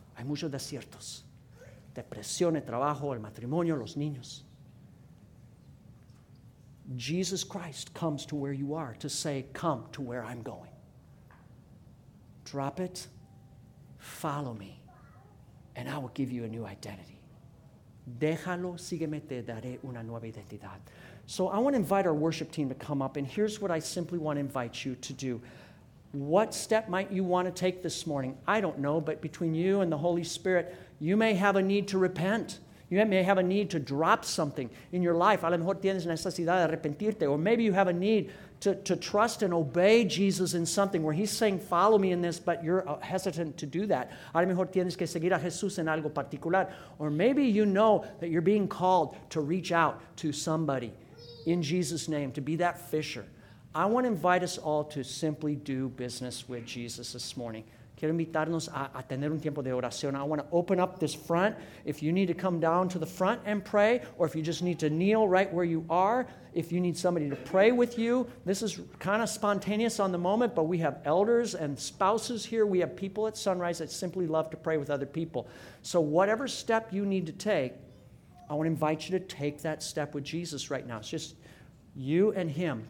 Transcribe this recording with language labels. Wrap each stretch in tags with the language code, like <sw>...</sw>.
<es>Hay muchos desiertos. Depresión, el trabajo, el matrimonio, los niños.</es> <en>Jesus Christ comes to where you are to say, come to where I'm going. Drop it, follow me, and I will give you a new identity.</en> <es>Déjalo, sígueme, te daré una nueva identidad.</es> <en>So I want to invite our worship team to come up, and here's what I simply want to invite you to do. What step might you want to take this morning? I don't know, but between you and the Holy Spirit, you may have a need to repent. You may have a need to drop something in your life.</en> <es>A lo mejor tienes necesidad de arrepentirte.</es> <en>Or maybe you have a need to trust and obey Jesus in something where he's saying, follow me in this, but you're hesitant to do that.</en> <es>A lo mejor tienes que seguir a Jesús en algo particular.</es> <en>Or maybe you know that you're being called to reach out to somebody in Jesus' name, to be that fisher. I want to invite us all to simply do business with Jesus this morning.</en> <es>Quiero invitarnos a tener un tiempo de oración.</es> <en>I want to open up this front. If you need to come down to the front and pray, or if you just need to kneel right where you are, if you need somebody to pray with you, this is kind of spontaneous on the moment, but we have elders and spouses here. We have people at Sunrise that simply love to pray with other people. So whatever step you need to take, I want to invite you to take that step with Jesus right now. It's just you and him.</en>